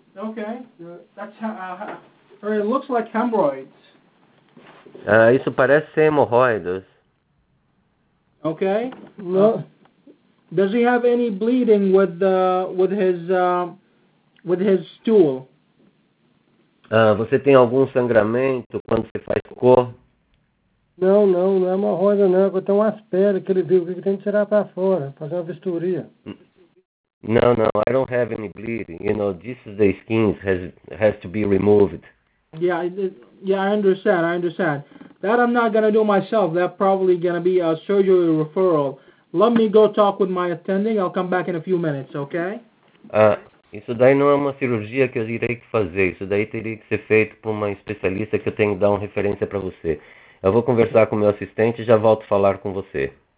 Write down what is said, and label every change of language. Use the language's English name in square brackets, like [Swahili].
[English] Okay, that's or it looks like hemorrhoids. [Portuguese] Isso parece ser hemorroidas. [English] Okay. No. Does he have any bleeding with his stool? [Portuguese] Você tem algum sangramento quando você faz cocô? Não é hemorroida não. Eu tenho umas pedras que ele viu que tem que tirar para fora, fazer uma vistoria. [English] No, I don't have any bleeding. You know, this is the skin has to be removed. Yeah, I understand. That I'm not going to do myself. That's probably going to be a surgery referral. Let me go talk with my attending. I'll come back in a few minutes, okay? [Portuguese] Isso daí não é uma cirurgia que eu irei fazer. Isso daí teria que ser feito por uma especialista que eu tenho que dar uma referência para você. Eu vou conversar com meu assistente e já volto a falar com você.